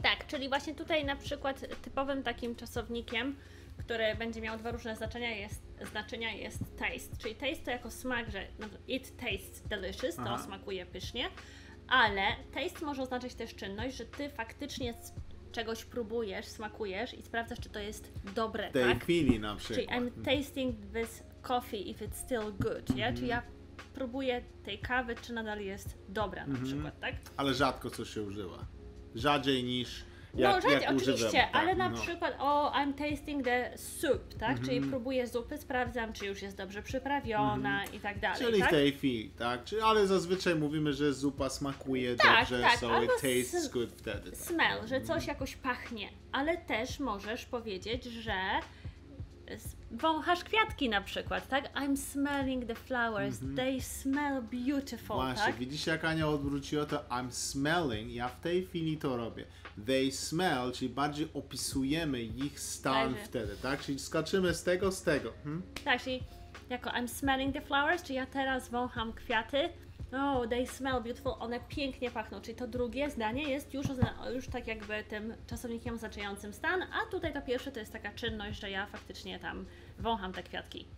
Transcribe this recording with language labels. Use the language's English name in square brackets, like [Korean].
[Polish] Tak, czyli właśnie tutaj na przykład typowym takim czasownikiem, który będzie miał dwa różne znaczenia jest taste. Czyli taste to jako smak, że no, [English] it tastes delicious, [Polish] to smakuje pysznie, ale taste może oznaczać też czynność, że ty faktycznie czegoś próbujesz, smakujesz i sprawdzasz, czy to jest dobre. W tej tak? chwili na przykład. Czyli [English] I'm tasting this coffee if it's still good, yeah? [Polish] Czyli ja próbuję tej kawy, czy nadal jest dobra na przykład, tak? Ale rzadko coś się używa. Rzadziej niż jak, no, jak używam. Oczywiście, tak, ale na przykład, [English] I'm tasting the soup, [Polish] tak? Mm-hmm. Czyli próbuję zupy, sprawdzam, czy już jest dobrze przyprawiona i tak dalej. Czyli tak? W tej chwili, tak? Czyli, ale zazwyczaj mówimy, że zupa smakuje dobrze, [English] so it tastes good [Polish] wtedy. Tak. Smell, że coś jakoś pachnie, ale też możesz powiedzieć, że wąchasz kwiatki na przykład, tak? [English] I'm smelling the flowers, they smell beautiful, [Polish] właśnie, tak? Widzisz, jak Ania odwróciła to [English] I'm smelling, [Polish] ja w tej chwili to robię. [English] They smell, [Polish] czyli bardziej opisujemy ich stan wtedy, tak? Czyli skaczymy z tego. Tak, czyli jako [English] I'm smelling the flowers, [Polish] czy ja teraz wącham kwiaty. [English] Oh, they smell beautiful, [Polish] one pięknie pachną, czyli to drugie zdanie jest już tak jakby tym czasownikiem zaznaczającym stan, a tutaj to pierwsze to jest taka czynność, że ja faktycznie tam wącham te kwiatki.